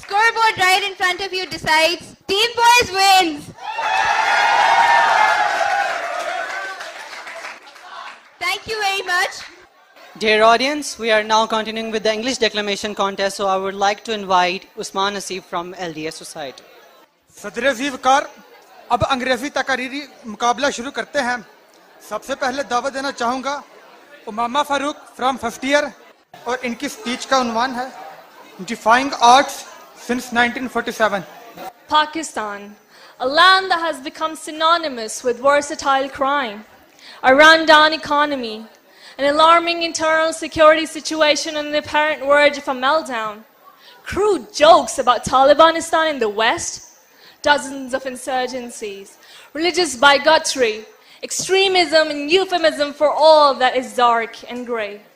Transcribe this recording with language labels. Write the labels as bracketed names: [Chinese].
[English] Scoreboard right in front of you decides. Team boys wins. Thank you very much. Dear audience, we are now continuing with the English declamation contest. So I would like to invite Usman Nasib from LDS Society. [Urdu] صدر ذیوکار اب انگریزی تقریری مقابلہ شروع کرتے ہیں سب سے پہلے دعوت دینا چاہوں گا امامہ فاروق [English] from fifth year [Urdu] اور ان کی سپیچ کا عنوان ہے [English] Defining arts since 1947 Pakistan a land that has become synonymous with versatile crime a run-down economy an alarming internal security situation and the apparent verge of a meltdown crude jokes about Talibanistan in the west Dozens of insurgencies, religious bigotry, extremism and euphemism for all that is dark and gray.